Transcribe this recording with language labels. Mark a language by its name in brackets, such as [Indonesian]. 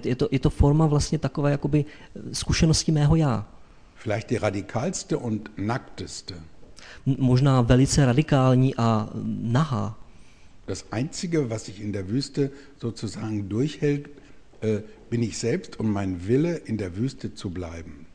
[Czech] Je to forma vlastně takové jakoby zkušenosti mého já. [German] Vielleicht die radikalste und nackteste. [Czech] Možná velice radikální a nahá. [German] Das einzige, was ich in der Wüste sozusagen durchhält, bin ich selbst und mein Wille in der Wüste zu bleiben.